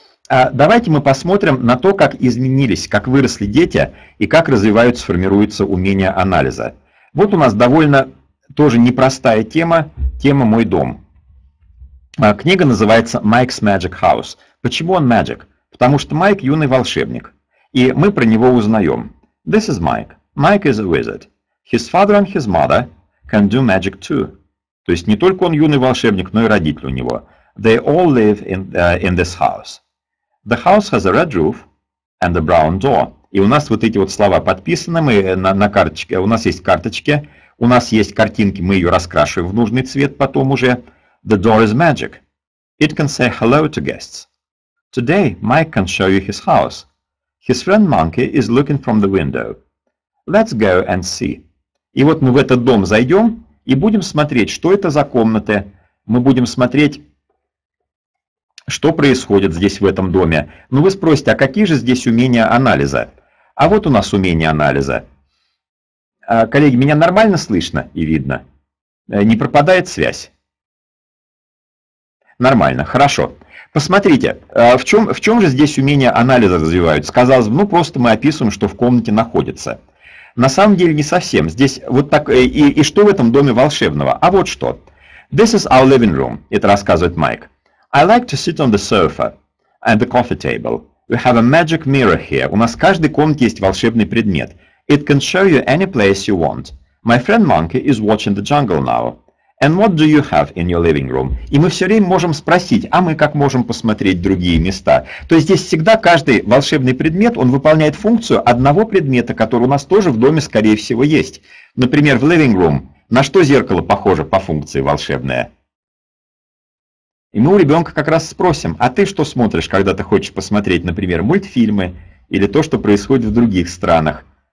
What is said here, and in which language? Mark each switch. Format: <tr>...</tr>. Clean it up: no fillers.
<ru>Давайте мы посмотрим на то, как изменились, как выросли дети, и как развиваются, формируются умения анализа. Вот у нас довольно... Тоже непростая тема, тема «Мой дом». Книга называется «Mike's Magic House». Почему он «Magic»? Потому что Майк – юный волшебник. И мы про него узнаем.</ru> <en>This is Mike. Mike is a wizard. His father and his mother can do magic too.</en> <ru>То есть не только он юный волшебник, но и родители у него.</ru> <en>They all live in this house. The house has a red roof and a brown door.</en> <ru>И у нас вот эти вот слова подписаны, мы на карточке, у нас есть карточки. У нас есть картинки, мы ее раскрашиваем в нужный цвет потом уже.</ru> <en>The door is magic. It can say hello to guests. Today Mike can show you his house. His friend Monkey is looking from the window. Let's go and see.</en> <ru>И вот мы в этот дом зайдем и будем смотреть, что это за комнаты. Мы будем смотреть, что происходит здесь в этом доме. Но вы спросите, а какие же здесь умения анализа? А вот у нас умения анализа. Коллеги, меня нормально слышно и видно? Не пропадает связь? Нормально, хорошо. Посмотрите, в чем же здесь умения анализа развиваются? Казалось бы, ну просто мы описываем, что в комнате находится. На самом деле не совсем. Здесь вот так, и что в этом доме волшебного? А вот что.</ru> <en>This is our living room,</en> <ru>это рассказывает Майк.</ru> <en>I like to sit on the sofa and the coffee table. We have a magic mirror here.</en> <ru>У нас в каждой комнате есть волшебный предмет.</ru> <en>It can show you any place you want. My friend Monkey is watching the jungle now. And what do you have in your living room?</en> <ru>И мы все время можем спросить, а мы как можем посмотреть другие места? То есть здесь всегда каждый волшебный предмет, он выполняет функцию одного предмета, который у нас тоже в доме, скорее всего, есть. Например, в living room. На что зеркало похоже по функции волшебное? И мы у ребенка как раз спросим, а ты что смотришь, когда ты хочешь посмотреть, например, мультфильмы или то, что происходит в других странах?</ru>